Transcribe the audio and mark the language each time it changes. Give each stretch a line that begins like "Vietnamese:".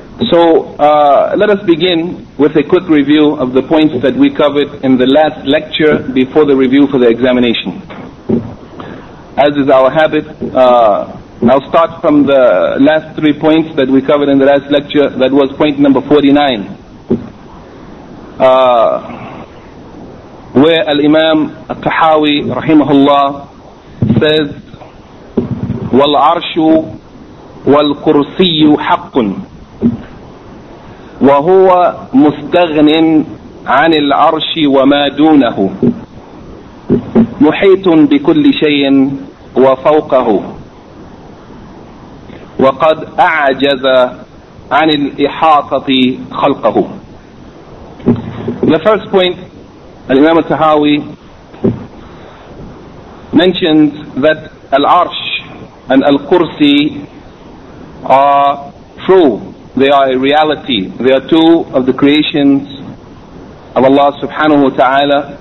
English: So let us begin with a quick review of the points that we covered in the last lecture before the review for the examination. As is our habit, I'll start from the last 3 points that we covered in the last lecture. That was point number 49, where Al-Imam Al-Tahawi rahimahullah says,
Arabic: وَالْعَرْشُ وَالْكُرْسِيُّ حَقٌّ وهو مستغن عن العرش وما دونه محيط بكل شيء وفوقه وقد أعجز عن الإحاطة خلقه.
English: The first point, Imam al-Tahawi mentioned that al-Arsh and al-Kursi are true. They are a reality. They are two of the creations of Allah subhanahu wa ta'ala.